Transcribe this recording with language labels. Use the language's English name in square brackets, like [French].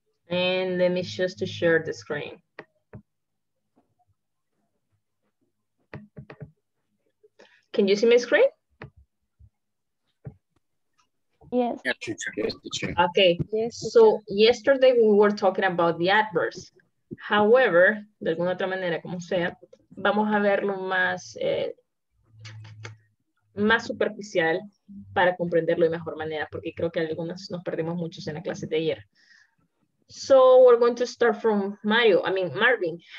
[English] And let me just to share the screen. Can you see my screen? Yeah, teacher. Yes, teacher. Okay. Yes. So yesterday we were talking about the adverbs. [Spanish] However, de alguna otra manera, como sea, vamos a verlo más, más superficial para comprenderlo de mejor manera, porque creo que algunas nos perdimos muchos en la clase de ayer. [English] So we're going to start from Mario, I mean Marvin.